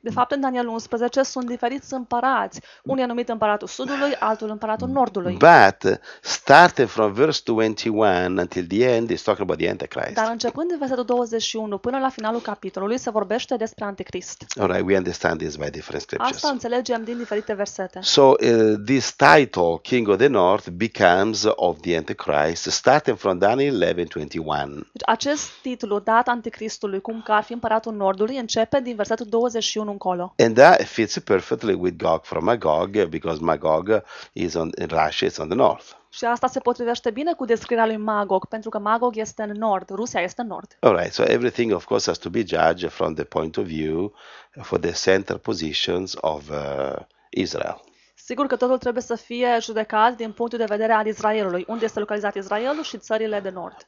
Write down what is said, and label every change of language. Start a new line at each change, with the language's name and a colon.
Romanian: De fapt, în Daniel 11 sunt diferiți împărați. Unul e numit împăratul sudului, altul împăratul nordului.
English: But starting from verse 21 until the end, it's talking about the Antichrist.
Romanian: Dar începând din versetul 21 până la finalul capitolului, se vorbește despre anticrist.
English: All right, we understand this by different scriptures.
Romanian: Asta înțelegem din diferite versete.
English: So this title, King of the North, becomes of the Antichrist, starting from Daniel 11:21.
Romanian: Deci, acest titlu dat anticristului, cum că ar fi împăratul nordului, începe din versetul 21 încolo.
English: And that fits perfectly with Gog from Magog because Magog is on in Russia, it's on the north.
Romanian: Și asta se potrivește bine cu descrierea lui Magog, pentru că Magog este în nord, Rusia este în nord.
English: All right, so everything of course has to be judged from the point of view for the center positions of Israel.
Romanian: Sigur că totul trebuie să fie judecat din punctul de vedere al Israelului, unde este localizat Israelul și țările de nord.